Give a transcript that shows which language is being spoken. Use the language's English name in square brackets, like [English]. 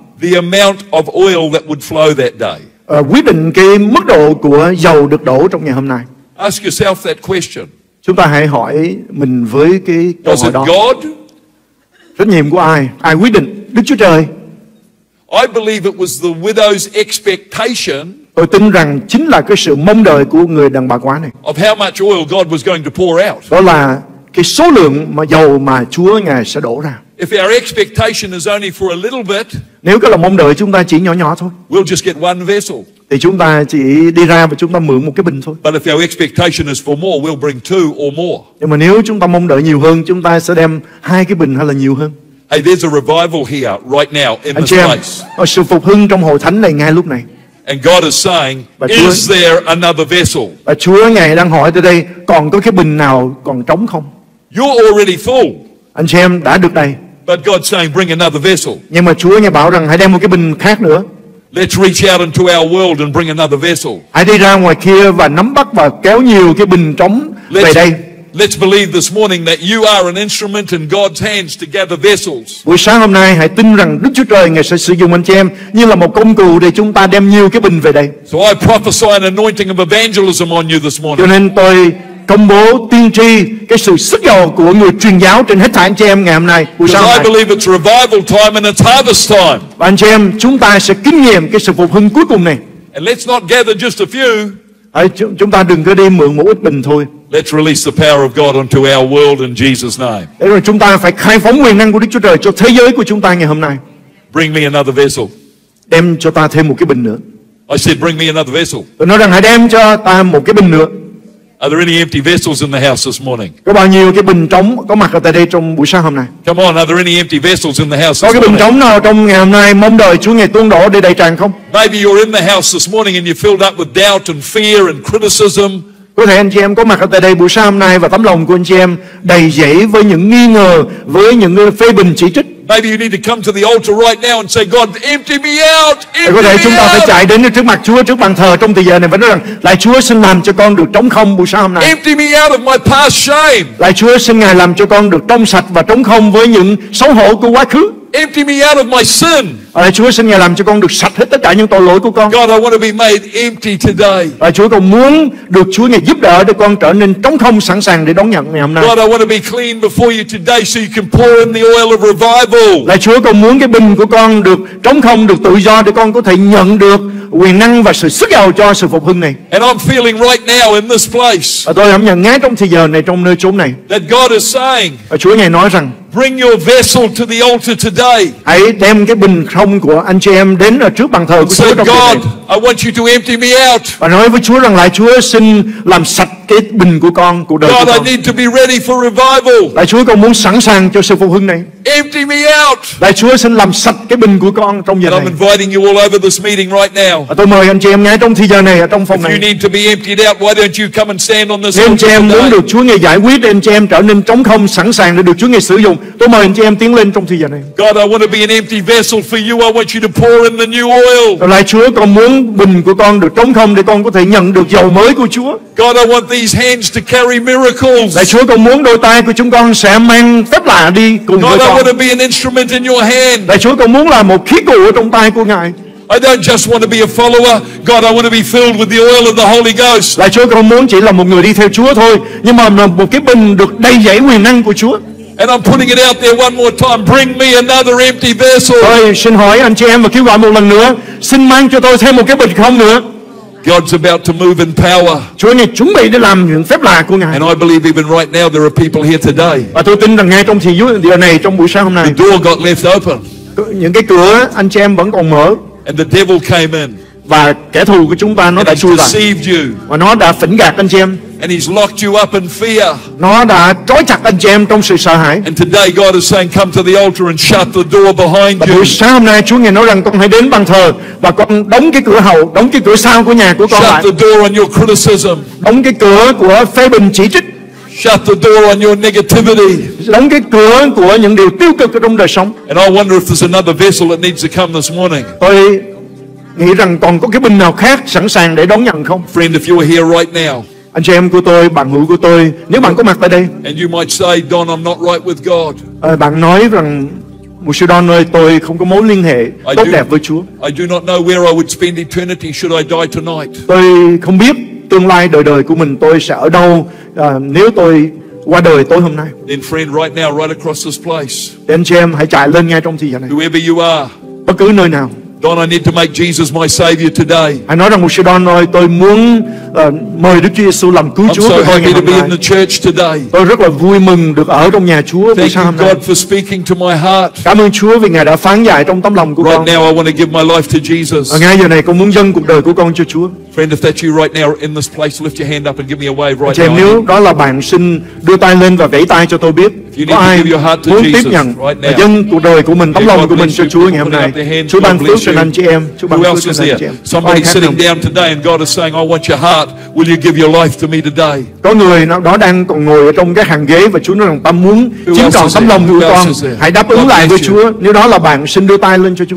[English] The amount of oil that would flow that day. [Vietnamese] Quyết định cái mức độ của dầu được đổ trong ngày hôm nay. [English] Ask yourself that question. [Vietnamese] Chúng ta hãy hỏi mình với cái câu hỏi đó. [English] God? [Vietnamese] Trách nhiệm của ai? Ai quyết định? Đức Chúa Trời. [English] I believe it was the widow's expectation. [Vietnamese] Tôi tin rằng chính là cái sự mong đợi của người đàn bà quá này. [English] Of how much oil God was going to pour out. [Vietnamese] Đó là cái số lượng mà dầu mà Chúa Ngài sẽ đổ ra. [English] If our expectation is only for a little bit, [Vietnamese] nếu cái lòng mong đợi chúng ta chỉ nhỏ nhỏ thôi, [English] we'll just get one vessel. [Vietnamese] Thì chúng ta chỉ đi ra và chúng ta mượn một cái bình thôi. [English] But if our expectation is for more, we'll bring two or more. [Vietnamese] Nhưng mà nếu chúng ta mong đợi nhiều hơn, chúng ta sẽ đem hai cái bình hay là nhiều hơn. [English] Hey, there's a revival here right now in this place. [Vietnamese] Có sự phục hưng trong hội thánh này ngay lúc này. [English] And God is saying, is there another vessel? [Vietnamese] Và Chúa Ngài đang hỏi tôi đây, còn có cái bình nào còn trống không? [English] You're already full. [Vietnamese] Anh chị em đã được đầy. [English] But God's saying, bring another vessel. [Vietnamese] Nhưng mà Chúa Ngài bảo rằng hãy đem một cái bình khác nữa. [English] Let's reach out into our world and bring another vessel. [Vietnamese] Hãy đi ra ngoài kia và nắm bắt và kéo nhiều cái bình trống về đây. [English] Let's believe this morning that you are an instrument in God's hands to gather vessels. [Vietnamese] Buổi sáng hôm nay hãy tin rằng Đức Chúa Trời Ngài sẽ sử dụng anh chị em như là một công cụ để chúng ta đem nhiều cái bình về đây. [English] So I prophesy an anointing of evangelism on you this morning. [Vietnamese] Cho nên tôi công bố tiên tri cái sự sức dầu của người truyền giáo trên hết thảy anh chị em ngày hôm nay. Buổi sáng [English] I believe it's revival time and it's harvest time. [Vietnamese] Và anh chị em, chúng ta sẽ kinh nghiệm cái sự phục hưng cuối cùng này. [English] And let's not gather just a few. [Vietnamese] Chúng ta đừng có đi mượn một ít bình thôi. [English] Let's release the power of God onto our world in Jesus' name. [Vietnamese] Để rồi chúng ta phải khai phóng quyền năng của Đức Chúa Trời cho thế giới của chúng ta ngày hôm nay. [English] Bring me another vessel. [Vietnamese] Đem cho ta thêm một cái bình nữa. [English] I said, bring me another vessel. [Vietnamese] Tôi nói rằng hãy đem cho ta một cái bình nữa. [English] Are there any empty vessels in the house this morning? [Vietnamese] Có bao nhiêu cái bình trống có mặt ở tại đây trong buổi sáng hôm nay? [English] Come on, are there any empty vessels in the house? [Vietnamese] Có cái bình trống nào trong ngày hôm nay mong đợi Chúa Ngài tuôn đổ để đầy tràn không? [English] Maybe you're in the house this morning and you're filled up with doubt and fear and criticism. [Vietnamese] Có thể anh chị em có mặt ở tại đây buổi sáng hôm nay và tấm lòng của anh chị em đầy dẫy với những nghi ngờ, với những phê bình chỉ trích. [English] Maybe you need to come to the altar right now and say, God, empty me out. Empty [Vietnamese] có thể chúng ta phải chạy đến trước mặt Chúa, trước bàn thờ trong thời giờ này và nói rằng, Lạy Chúa, xin làm cho con được trống không buổi sáng hôm nay. [English] Empty me out of my past shame. [Vietnamese] Lạy Chúa, xin Ngài làm cho con được trong sạch và trống không với những xấu hổ của quá khứ. [English] Empty me out of my sin. [Vietnamese] Lạy Chúa, xin Ngài làm cho con được sạch hết tất cả những tội lỗi của con. [English] God, I want to be made empty today. [Vietnamese] Lạy Chúa, con muốn được Chúa Ngài giúp đỡ để con trở nên trống không, sẵn sàng để đón nhận ngày hôm nay. [English] God, I want to be clean before you today so you can pour in the oil of revival. [Vietnamese] Lạy Chúa, con muốn cái bình của con được trống không, được tự do để con có thể nhận được quyền năng và sự sức dầu cho sự phục hưng này. [English] And I'm feeling right now in this place. [Vietnamese] Và tôi cảm nhận ngay trong thời giờ này, trong nơi chốn này. [English] That God is saying. [Vietnamese] Và Chúa Ngài nói rằng, [English] bring your vessel to the altar today. [Vietnamese] Hãy đem cái bình không của anh chị em đến ở trước bàn thờ của Chúa trong [English] God, [Vietnamese] này. [English] I want you to empty me out. [Vietnamese] Và nói với Chúa rằng, Lạy Chúa, xin làm sạch cái bình của con, cuộc đời [English] God, [Vietnamese] của con. [English] God, I need to be ready for revival. [Vietnamese] Lạy Chúa, con muốn sẵn sàng cho sự phục hưng này. [English] Empty me out. [Vietnamese] Lạy Chúa, xin làm sạch cái bình của con trong giờ [English] And [Vietnamese] này. [English] I'm inviting you all over this meeting right now. [Vietnamese] Và tôi mời anh chị em ngay trong thời giờ này ở trong phòng [English] If [Vietnamese] này. [English] You need to be emptied out. Why don't you come and stand on this? [Vietnamese] Anh chị em muốn được Chúa Ngài giải quyết, anh chị em trở nên trống không, sẵn sàng để được Chúa Ngài sử dụng. Tôi mời anh chị em tiến lên trong thời gian này. [English] God, I want to be an empty vessel for you. I want you to pour in the new oil. [Vietnamese] Lạy Chúa, con muốn bình của con được trống không để con có thể nhận được dầu mới của Chúa. [English] God, I want these hands to carry miracles. [Vietnamese] Lạy Chúa, con muốn đôi tay của chúng con sẽ mang phép lạ đi cùng [English] God, [Vietnamese] với con. [English] God, I want to be an instrument in your hand. [Vietnamese] Lạy Chúa, con muốn là một khí cụ ở trong tay của Ngài. [English] I don't just want to be a follower. God, I want to be filled with the oil of the Holy Ghost. [Vietnamese] Lạy Chúa, con muốn chỉ là một người đi theo Chúa thôi, nhưng mà là một cái bình được đầy dẫy quyền năng của Chúa. [English] And I'm putting it out there one more time. Bring me another empty vessel. [Vietnamese] Tôi xin hỏi anh chị em và kêu gọi một lần nữa. Xin mang cho tôi thêm một cái bình không nữa. [English] God's about to move in power. [Vietnamese] Chúa Ngài chuẩn bị để làm những phép lạ của Ngài. [English] And I believe even right now there are people here today. [Vietnamese] Và tôi tin rằng ngay trong thời điểm này, trong buổi sáng hôm nay. [English] The door got left open. [Vietnamese] Những cái cửa anh chị em vẫn còn mở. [English] And the devil came in. [Vietnamese] Và kẻ thù của chúng ta nó [English] and [Vietnamese] đã chui vào. Và nó đã phỉnh gạt anh chị em. [English] And he's locked you up in fear. [Vietnamese] Nó đã trói chặt anh chị em trong sự sợ hãi. [English] And today God is saying, come to the altar and shut the door behind you. [Vietnamese] Và buổi sáng hôm nay Chúa Ngài nói rằng con hãy đến bàn thờ và con đóng cái cửa hậu, đóng cái cửa sau của nhà của con [English] shut [Vietnamese] lại. [English] The door on your criticism. [Vietnamese] Đóng cái cửa của phê bình chỉ trích. [English] Shut the door on your negativity. [Vietnamese] Đóng cái cửa của những điều tiêu cực trong đời sống. [English] And I wonder if there's another vessel that needs to come this morning. [Vietnamese] Tôi nghĩ rằng còn có cái bình nào khác sẵn sàng để đón nhận không? [English] Friend, if you are here right now. [Vietnamese] Anh chị em của tôi, bạn hữu của tôi, nếu bạn có mặt tại đây. [English] And you might say, Don, I'm not right with God. [Vietnamese] Bạn nói rằng, Mục sư Don ơi, tôi không có mối liên hệ tốt đẹp với Chúa. [English] I do not know where I would spend eternity should I die tonight. [Vietnamese] Tôi không biết tương lai đời đời của mình tôi sẽ ở đâu nếu tôi qua đời tối hôm nay. [English] Then friend, right now, right across this place. Then [Vietnamese] chị em hãy chạy lên ngay trong thời gian này. [English] Wherever you are. [Vietnamese] Bất cứ nơi nào. [English] Don, I need to make Jesus my savior today. I know that Mr. [Vietnamese] Don, tôi muốn mời Đức Chúa Giêsu làm cứu Chúa của tôi ngày hôm nay. [English] In the church today. [Vietnamese] Tôi rất là vui mừng được ở trong nhà Chúa buổi sáng hôm nay. [English] God for speaking to my heart. [Vietnamese] Cảm ơn Chúa vì Ngài đã phán dạy trong tấm lòng của [English] right [Vietnamese] con. [English] Now I want to give my life to Jesus. [Vietnamese] Ngay giờ này con muốn dâng cuộc đời của con cho Chúa. [English] Friend, if that's you right now in this place, lift your hand up and give me a wave right now. [Vietnamese] Nếu đó là bạn, xin đưa tay lên và vẫy tay cho tôi biết. [English] If you need to give your heart to [Vietnamese] muốn [English] Jesus [Vietnamese] tiếp nhận [English] right now. [Vietnamese] Và dâng cuộc đời của mình, tấm lòng của mình cho Chúa ngày hôm nay. Chúa ban phước cho anh chị em. [English] Who else is here? Somebody sitting down today and God is saying, I want your heart. Will you give your life to me today? [Vietnamese] Có người nào đó đang còn ngồi ở trong cái hàng ghế và Chúa nói rằng ta muốn chiếm trọn tấm lòng của con. Hãy đáp ứng lại với Chúa. Nếu đó là bạn, xin đưa tay lên cho Chúa.